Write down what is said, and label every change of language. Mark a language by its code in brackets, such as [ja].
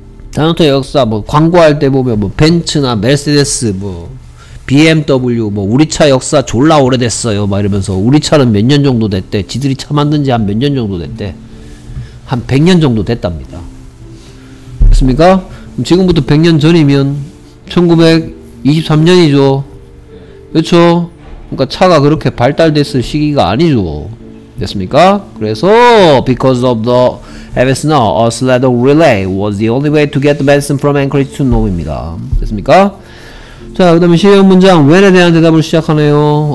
[ko] 자동차 역사 뭐 광고할 때 보면 뭐 벤츠나 메르세데스 뭐 BMW 뭐 우리 차 역사 졸라 오래됐어요 막 이러면서 우리 차는 몇 년 정도 됐대 지들이 차 만든 지 한 몇 년 정도 됐대 한 100년 정도 됐답니다. 됐습니까? 그럼 지금부터 100년 전이면 1923년이죠 그렇죠? 그러니까 차가 그렇게 발달됐을 시기가 아니죠. 됐습니까? 그래서 [en] because of the heavy snow, a sled relay was the only way to get the medicine from Anchorage to Nome입니다. [ko] 됐습니까? 자, 그 다음에 실용 문장 when에 대한 대답을 시작하네요.